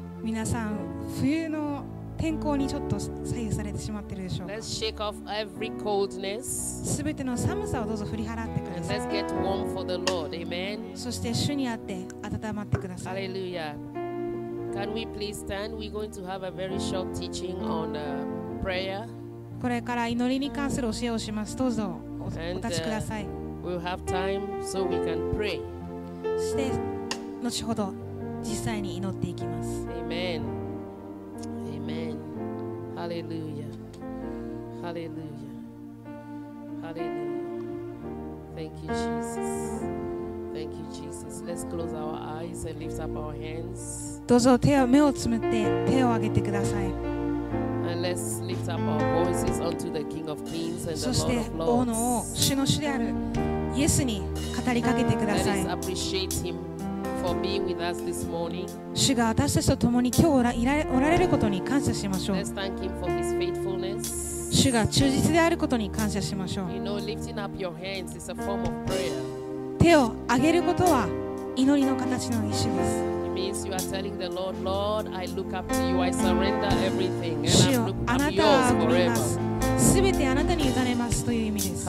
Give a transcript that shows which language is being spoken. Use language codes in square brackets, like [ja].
[ja] 皆さん、冬の天候にちょっと左右されてしまってるでしょうか。 [en] Let's shake off every coldness. [ja] すべての寒さをどうぞ振り払ってください。 [en] And let's get warm for the Lord. Amen. [ja] そして主にあって温まってください。 [en] Hallelujah. Can we please stand? We're going to have a very short teaching on prayer. [ja] これから祈りに関する教えをします。どうぞ [en] and, [ja] お立ちください。 [en] We'll have time so we can pray. [ja] そして後ほど実際に祈っていきます。 [en] Amen. Amen. Hallelujah. Hallelujah. Hallelujah. Thank you, Jesus. Thank you, Jesus. Let's close our eyes and lift up our hands. [ja] どうぞ目をつむって手を上げてください。 [en] And let's lift up our voices unto the King of Kings and the Lord of Lords. [ja] そして王の王、主の主であるイエスに語りかけてください。 [en] Let us appreciate him for being with us this morning. [ja] 主が私たちと共に今日おられることに感謝しましょう。 [en] Let's thank him for his faithfulness. [ja] 主が忠実であることに感謝しましょう。 [en] You know, lifting up your hands is a form of prayer. [ja] 手を挙げることは祈りの形の一種です。 [en] It means you are telling the Lord, Lord, I look up to you, I surrender everything, and I'm yours forever. [ja] 主よ、あなたに委ねますという意味です。